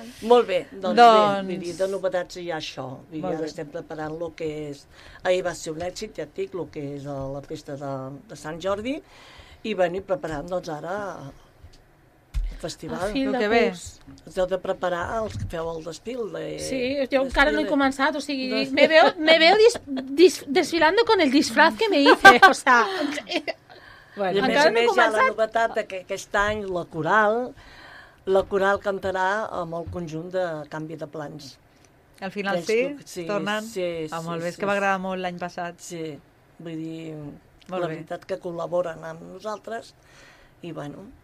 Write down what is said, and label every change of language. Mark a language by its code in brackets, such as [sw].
[ca] Molt bé, doncs bé, de novetats hi ha això. I ara estem preparant el que és... Ahir va ser un èxit, ja et dic, el que és la festa de Sant Jordi, i venir preparant, doncs ara... festival. El que ve. Us heu de preparar els que feu el desfil. Sí, jo encara no he començat, o sigui, [es] me veo desfilando con el disfraz que me hice. O sea... [ca] Bueno, a més, hi ha la novetat que aquest any la coral cantarà amb el conjunt de Canvi de Plans. Al final sí, tornant. Sí, ah, molt bé, és que va agradar molt l'any passat. Sí, vull dir, molt la bé. Veritat que col·laboren amb nosaltres i, bueno...